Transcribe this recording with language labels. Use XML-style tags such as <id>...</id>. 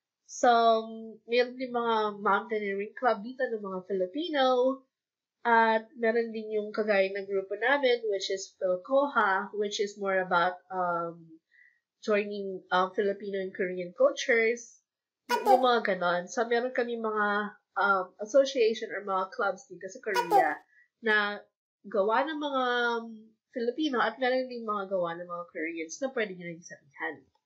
<tl>So, mayroon din mga mountaineering club dito ng mga Filipino. At meron din yung kagaya ng grupo namin,</tl> <en>which is Philcoha, which is more about joining Filipino and Korean cultures.</en> <tl>Yung mga ganon. So, meron kami mga association or mga clubs dito sa Korea na gawa ng mga Filipino at meron din mga gawa ng mga Koreans na pwede nyo rin sabihan.</tl>